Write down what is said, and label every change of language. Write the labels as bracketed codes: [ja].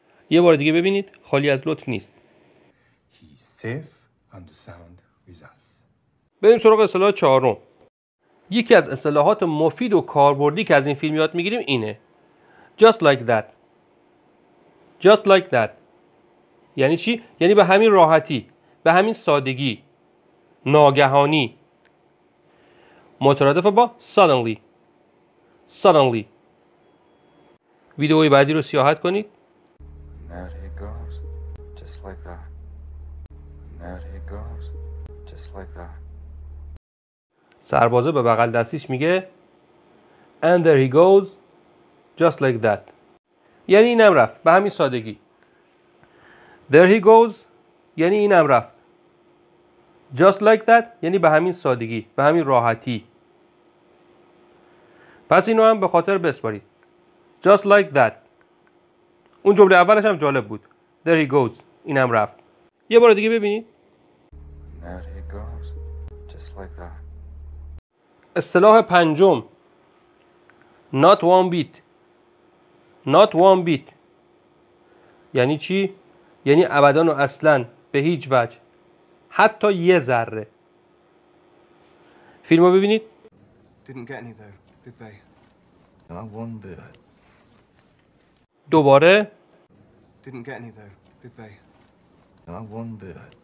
[fa] یه بار دیگه ببینید، خالی از لطف نیست. [en] He is safe and sound with us. [fa] بریم سراغ اصطلاح چهارم. یکی از اصطلاحات مفید و کاربردی که از این فیلم یاد میگیریم اینه: Just like that. یعنی چی؟ یعنی به همین راحتی، به همین سادگی، ناگهانی. مترادف با suddenly. ویدئوی بعدی رو سیاحت کنید. [en] There he goes just like that. [fa] سربازه به بغل دستیش میگه [en] And there he goes just like that. [fa] یعنی اینم رفت به همین سادگی. [en] There he goes [fa] یعنی اینم رفت. [en] Just like that [fa] یعنی به همین سادگی، به همین راحتی. پس اینو هم به خاطر بسپارید. [en] Just like that. [fa] اون جمله اولش هم جالب بود. [en] There he goes. [fa] اینم رفت. یه بار دیگه ببینید. [en] There he goes. Just like that. [fa] اصطلاح پنجم. [en] Not one bit. [fa] یعنی چی؟ یعنی ابداً و اصلاً، به هیچ وجه، حتی یه ذره. فیلم رو ببینید. [en] Didn't get any though, did they? Not one bit. [fa] دوباره. [en] Didn't get any though, did they? Not one bit.